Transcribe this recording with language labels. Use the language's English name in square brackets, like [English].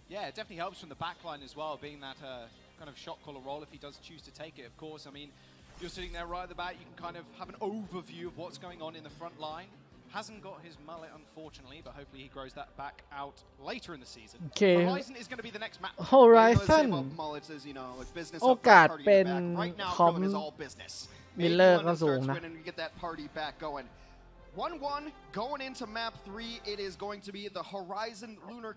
[English] Yeah, it definitely helps from the back line as well, being that kind of shot caller role if he does choose to take it, of course. I mean, you're sitting there right at the back, you can kind of have an overview of what's going on in the front line. Hasn't got his mullet, unfortunately, but hopefully he grows that back out later in the season. Okay. Horizon is going to be the next map. Horizon. Mullets is, you know, it's business. [Thai] โอกาสเป็นคอมมิลเลอร์ก็สูงนะ [English] And you get that party back going. 1-1 going into map 3. It is going to be the Horizon Lunar.